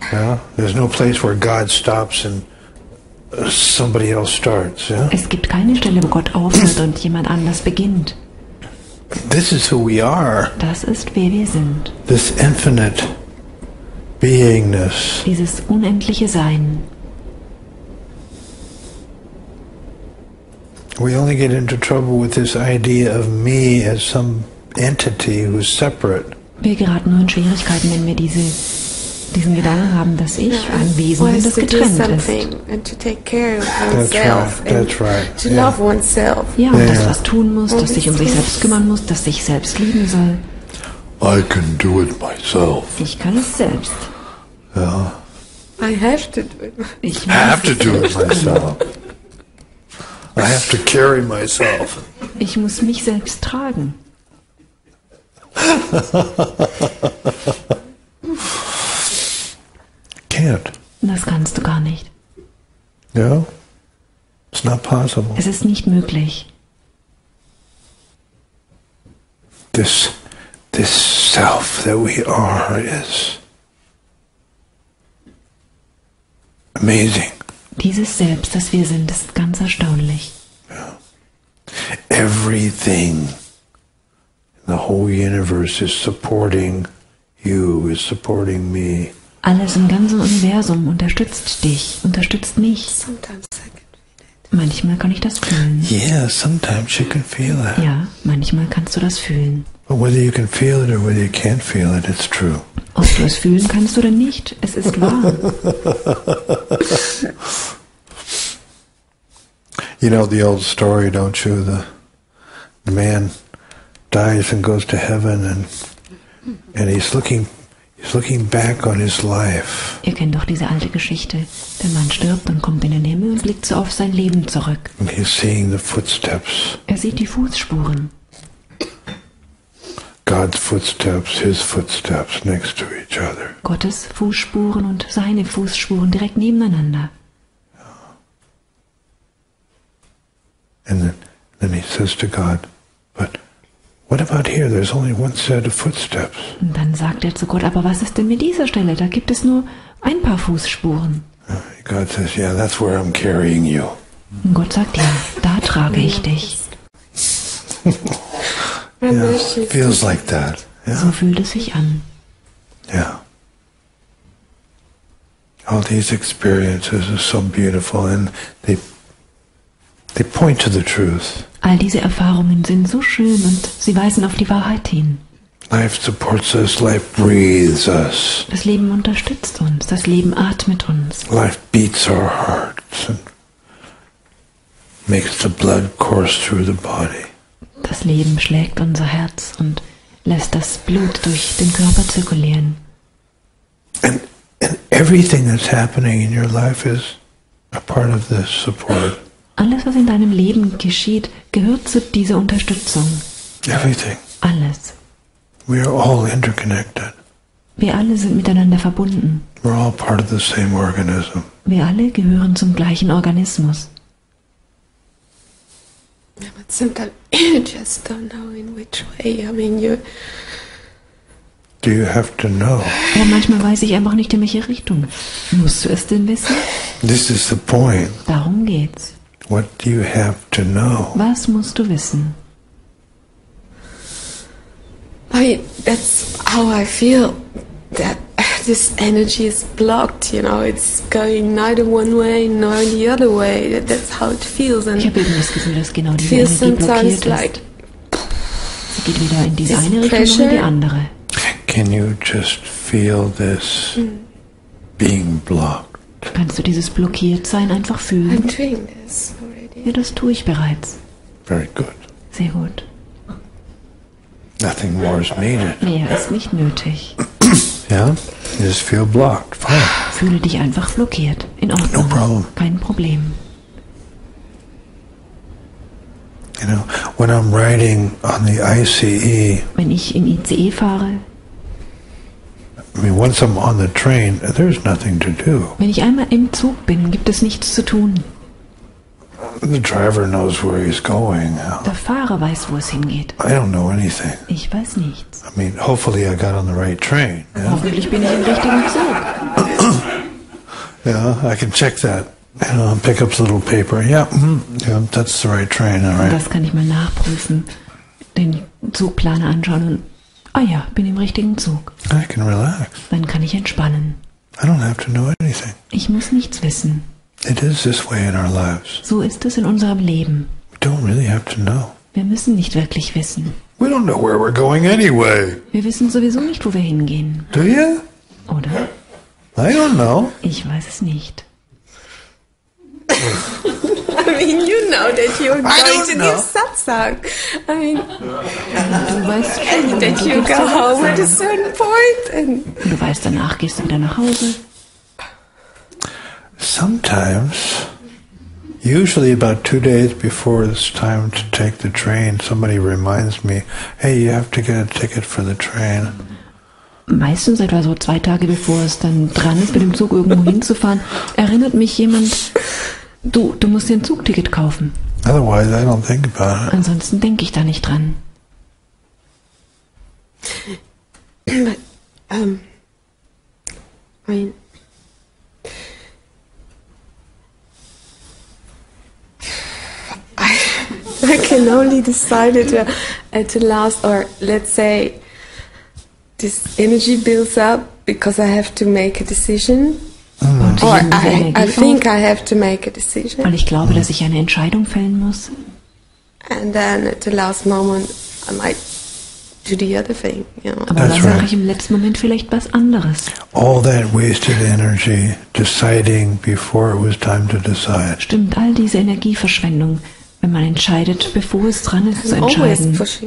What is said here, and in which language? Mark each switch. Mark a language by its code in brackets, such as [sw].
[en] Yeah, there's no place where God stops and somebody else starts. Yeah. [de] Es gibt keine Stelle, wo Gott aufhört und jemand anders beginnt. [en] This is who we are. [de] Das ist, wer wir sind. [en] This infinite beingness. [de] Dieses unendliche Sein. [en] We only get into trouble with this idea of me as some entity who's separate. [de] Wir geraten nur in Schwierigkeiten, wenn wir diesen Gedanken haben, dass ich ein Wesen bin, das getrennt ist. [en] That's right. [de] Ja, und das, was tun muss, dass sich um sich selbst kümmern muss, dass sich selbst lieben soll. [en] I can do it myself. [de] Ich kann es selbst. Ja. [en] I have to do it. [de] Ich muss [en] have to do it myself. I have to carry myself. [de] Ich muss mich selbst tragen. [en] Can't. [de] Das kannst du gar nicht. [en] No? It's not possible. [de] Es ist nicht möglich. [en] This self that we are is amazing. [de] Dieses Selbst, das wir sind, ist ganz erstaunlich. [en] Everything in the whole universe is supporting you, is supporting me. [de] Alles im ganzen Universum unterstützt dich, unterstützt mich. [en] Sometimes I can feel it. [de] Manchmal kann ich das fühlen. [en] Yeah, sometimes you can feel it. [de] Ja, manchmal kannst du das fühlen. [en] But whether you can feel it or whether you can't feel it, it's true. [de] Ob du es fühlen kannst oder nicht, es ist wahr. [en] You know the old story, don't you? The man dies and goes to heaven, and he's looking back on his life. [de] Ihr kennt doch diese alte Geschichte. Der Mann stirbt und kommt in den Himmel und blickt so auf sein Leben zurück. [en] And he's seeing the footsteps. [de] Er sieht die Fußspuren. [en] God's footsteps, his footsteps next to each other. [de] Gottes Fußspuren und seine Fußspuren direkt nebeneinander. [en] And then he says to God, but what about here? There's only one set of footsteps. [de] Und dann sagt zu Gott, aber was ist denn mit dieser Stelle? Da gibt es nur ein paar Fußspuren. [en] God says, yeah, that's where I'm carrying you. [de] Und Gott sagt, ja, da trage ich dich. [en] Yeah, it feels like that. Yeah. [de] So fühlt es sich an. [en] Yeah. All these experiences are so beautiful and they point to the truth. [de] All diese Erfahrungen sind so schön und sie weisen auf die Wahrheit hin. [en] Life supports us, life breathes us. [de] Das Leben unterstützt uns, das Leben atmet uns. [en] Life beats our hearts and makes the blood course through the body. [de] Das Leben schlägt unser Herz und lässt das Blut durch den Körper zirkulieren. [en] And everything that's happening in your life is a part of this support. [de] Alles, was in deinem Leben geschieht, gehört zu dieser Unterstützung. [en] Everything. [de] Alles. [en] We are all interconnected. [de] Wir alle sind miteinander verbunden. [en] We're all part of the same organism. [de] Wir alle gehören zum gleichen Organismus. [en] Yeah, but sometimes you just don't know in which way. I mean, you. Do you have to know? [de] Ja, manchmal weiß ich einfach nicht, in welche Richtung. Musst du es denn wissen? [en] This is the point. [de] Darum geht's. [en] What do you have to know? [de] Was musst du wissen? [en] I mean, that's how I feel. That this energy is blocked. You know, it's going neither one way nor the other way. That's how it feels. [de] And ich habe das Gefühl, dass genau diese Energie blockiert ist. Like, sie geht wieder in diese eine Richtung oder die andere. [en] Can you just feel this being blocked? [de] Kannst du dieses Blockiertsein einfach fühlen? [en] I'm doing this already. [de] Ja, das tue ich bereits. [en] Very good. [de] Sehr gut. [en] Nothing more is needed. [de] Mehr ist nicht nötig. [en] Ja, yeah? Just feel blocked. Fine. [de] Fühle dich einfach blockiert. In Ordnung. [en] No problem. [de] Kein Problem. [en] You know, when I'm riding on the ICE. [de] Wenn ich im ICE fahre. [en] I mean, once I'm on the train, there's nothing to do. [de] Wenn ich einmal im Zug bin, gibt es nichts zu tun. [en] The driver knows where he's going. [de] Der Fahrer weiß, wo es hingeht. [en] I don't know anything. [de] Ich weiß nichts. [en] I mean, hopefully I got on the right train. Yeah? [de] Hoffentlich bin ich im richtigen Zug. [en] Yeah, I can check that. You know, pick up the little paper. Yeah, yeah, that's the right train. All right. [de] Das kann ich mal nachprüfen. Den Zugplan anschauen und ah ja, bin im richtigen Zug. [en] I can relax. [de] Dann kann ich entspannen. [en] I don't have to know anything. [de] Ich muss nichts wissen. [en] It is this way in our lives. [de] So ist es in unserem Leben. [en] We don't really have to know. [de] Wir müssen nicht wirklich wissen. [en] We don't know where we're going anyway. [de] Wir wissen sowieso nicht, wo wir hingehen. [en] Do you? [de] Oder? [en] I don't know. [de] Ich weiß es nicht. [en] I mean, you know that you're going to give satsang. I mean, that you go home at a certain point. And [de] du weißt, danach gehst du wieder nach Hause. [en] Sometimes Usually about 2 days before it's time to take the train, somebody reminds me, hey, you have to get a ticket for the train. [de] Meistens etwa so 2 Tage bevor es dann dran ist, mit dem Zug irgendwo hinzufahren, erinnert mich jemand, du musst dir ein Zugticket kaufen. [en] Otherwise I don't think about it. [de] Ansonsten denke ich da nicht dran. [en] I can only decide it to last, or let's say this energy builds up because I have to make a decision. Or I think I have to make a decision. [de] Und ich glaube, dass ich eine Entscheidung fällen muss. [en] And then at the last moment I might do the other thing, you know. [de] Aber dann mache ich im letzten Moment vielleicht was anderes. [en] All that wasted energy deciding before it was time to decide. [de] Stimmt, all diese Energieverschwendung, wenn man entscheidet, bevor es dran ist, zu entscheiden.